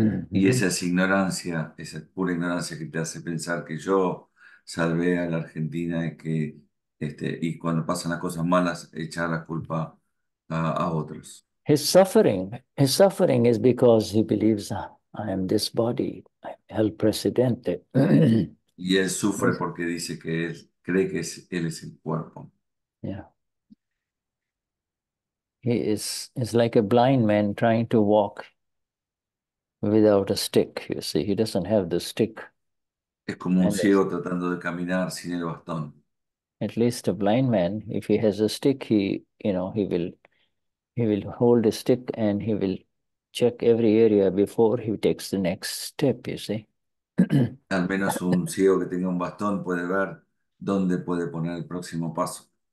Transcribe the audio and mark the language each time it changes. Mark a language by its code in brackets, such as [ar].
[es] Y esa es ignorancia, esa pura ignorancia que te hace pensar que yo salvé a la Argentina y que y cuando pasan las cosas malas, echar la culpa a otros. [en] His suffering is because he believes I am this body, I'm [es] el presidente. Y él sufre porque dice que él cree que él es el cuerpo. [en] He is like a blind man trying to walk without a stick, you see. He doesn't have the stick. [es] Es como un [en] And [es] ciego tratando de caminar sin el bastón. [en] at least a blind man, if he has a stick, he will hold a stick and he will check every area before he takes the next step, you see. [es] Al menos un ciego que tenga un bastón puede ver dónde puede poner el próximo paso.